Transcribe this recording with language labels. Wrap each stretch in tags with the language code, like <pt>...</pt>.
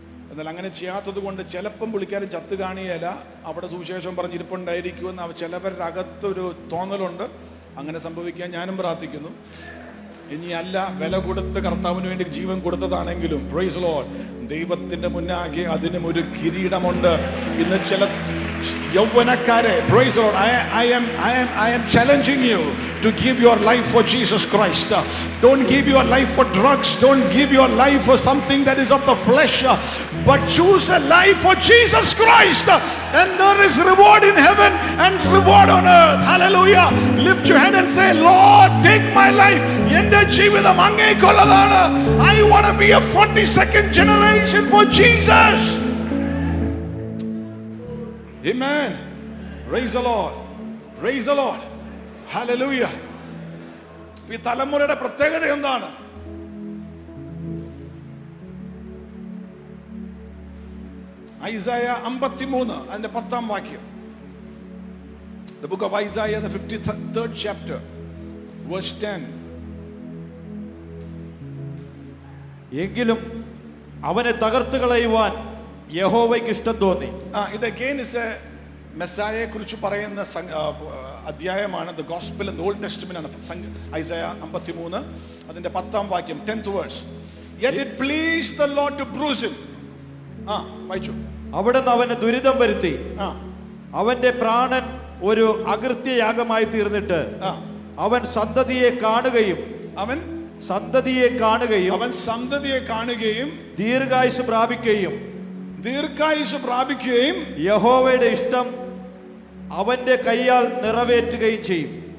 <ml>എന്നാൽ അങ്ങനെ ചെയ്യാത്തത് കൊണ്ട് ചിലപ്പം വിളിക്കാനും ചത്ത് കാണിയല്ല, അവിടെ സുവിശേഷം പറഞ്ഞിരിപ്പുണ്ടായിരിക്കുമെന്ന് അവർ ചിലവരുടെ അകത്തൊരു തോന്നലുണ്ട്. അങ്ങനെ സംഭവിക്കാൻ ഞാനും പ്രാർത്ഥിക്കുന്നു. ഇനിയല്ല, വില കൊടുത്ത് കർത്താവിന് വേണ്ടി ജീവൻ കൊടുത്തതാണെങ്കിലും</ml> <en>praise Lord,</en> <ml>ദൈവത്തിന്റെ മുന്നാകെ അതിനും ഒരു കിരീടമുണ്ട്. ഇന്ന് ചില യൗവനക്കാരെ,</ml> <en>Praise Lord, I am challenging you to give your life for Jesus Christ. Don't give your life for drugs. Don't give your life for something that is of the flesh, but choose a life for Jesus Christ, and there is reward in heaven and reward on earth. Hallelujah. Lift your hand and say, Lord, take my life.</en> <ml>എന്റെ ജീവിതം അങ്ങേക്കുള്ളതാണ്.</ml> <en>I want to be a 42nd generation for Jesus. Amen. Praise the Lord. Praise the Lord. Hallelujah.</en> <ml>ഈ തലമുറയുടെ പ്രത്യേകത എന്താണ്? ഐസായ 53 അതിന്റെ 10 വാക്യം.</ml> <en>The book of Isaiah, the 53rd chapter, verse 10.</en> <ml>എങ്കിലും അവനെ തകർത്ത് കളയുവാൻ യഹോവയ്ക്ക് ഇഷ്ടം തോന്നി. ആ, ഇത്</ml> <en>again is a</en> <ml>മെസ്സായയെ കുറിച്ച് പറയുന്ന അധ്യായമാണ്.</ml> <en>the gospel in the old testament</en> <ml>ആണ് ഐസായ 53 അതിന്റെ 10 വാക്യം, 10th verse.</ml> <en>Yet it pleased the Lord to bruise him.</en> <ml>ആ, വായിച്ചു. അവിടെ നിന്ന് അവനെ ദുരിതം വരുത്തി. ആ, അവന്റെ പ്രാണൻ ഒരു അകൃത്യയാഗമായി തീർന്നിട്ട് അവൻ സന്തതിയെ കാണുകയും അവൻ സന്തതിയെ കാണുകയും ദീർഘായുസ് പ്രാപിക്കുകയും യഹോവയുടെ ഇഷ്ടം അവന്റെ കയ്യാൽ നിറവേറ്റുകയും ചെയ്യും.</ml>